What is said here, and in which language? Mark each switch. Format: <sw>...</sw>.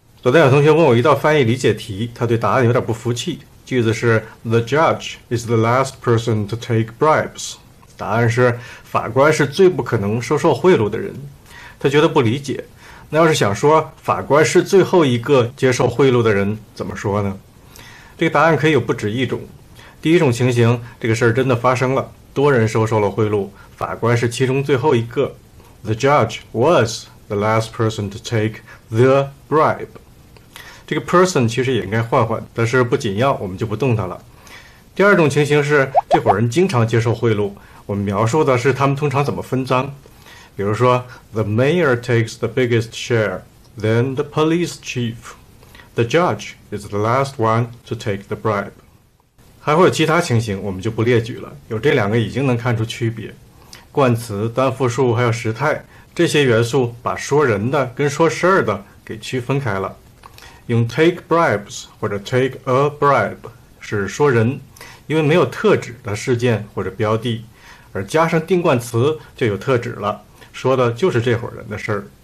<zh>昨天有同学问我一道翻译理解题，他对答案有点不服气。句子是</zh> <en>The judge is the last person to take bribes。</en> <zh>答案是法官是最不可能收受贿赂的人。他觉得不理解。那要是想说法官是最后一个接受贿赂的人，怎么说呢？这个答案可以有不止一种。第一种情形，这个事儿真的发生了，多人收受了贿赂，法官是其中最后一个。</zh> <en>The judge was the last person to take the bribe。</en> <zh>这个 person 其实也应该换换，但是不紧要，我们就不动它了。第二种情形是，这伙人经常接受贿赂，我们描述的是他们通常怎么分赃。比如说，</zh> <en>the mayor takes the biggest share, then the police chief, the judge is the last one to take the bribe。</en> <zh>还会有其他情形，我们就不列举了。有这两个已经能看出区别，冠词、单复数还有时态，这些元素把说人的跟说事儿的给区分开了。用</zh> <en>take bribes</en> <zh>或者</zh> <en>take a bribe</en> <zh>是说人，因为没有特指的事件或者标的，而加上定冠词就有特指了，说的就是这伙人的事儿。</zh>